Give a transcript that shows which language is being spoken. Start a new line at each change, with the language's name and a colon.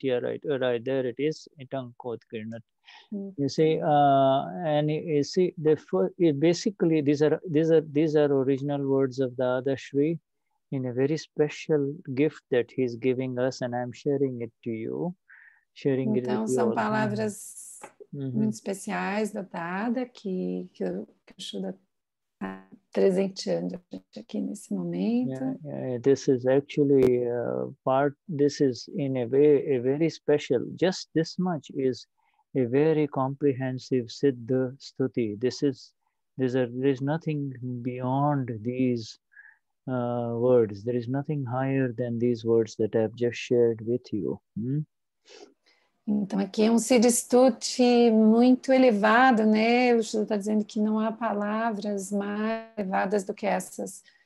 English: Yeah, right, there it is. Tankot Kerna. Mm-hmm. You see, these are original words of the Adha Shri in a very special gift that he's giving us, and I'm sharing it to you.
Portuguese: Então, são palavras muito especiais da Dada que o Shuda está presenteando aqui nesse momento.
English: This is actually this is in a way a very special, just this much is a very comprehensive Siddha Stuti. There is nothing beyond these words. There is nothing higher than these words that I've just shared with you.
Portuguese: Então, aqui é um Siddha Stuti muito elevado, né? O Shuda está dizendo que não há palavras mais elevadas do que essas.